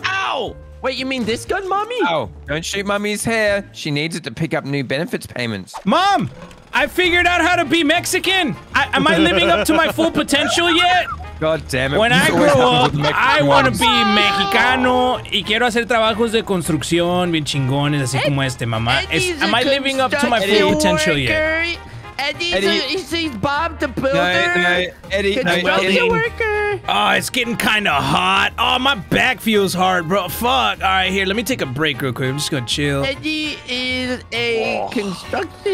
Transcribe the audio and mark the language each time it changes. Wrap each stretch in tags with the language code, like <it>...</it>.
<en>Ow! Wait, you mean this gun, mommy? Ow. Don't shoot mommy's hair. She needs it to pick up new benefits payments. Mom! I figured out how to be Mexican. Am I living up to my full potential yet? God damn it. When I grow up, I want to be Mexicano.</en> <es>Y quiero hacer trabajos de construcción bien chingones, así como este, mamá.</es> <en>Am I living up to my full potential yet? Eddie's Bob the Builder. Eddie, oh, it's getting kind of hot. Oh, my back feels hard, bro. Fuck. All right, here. Let me take a break real quick. I'm just going to chill. Eddie is a construction.</en>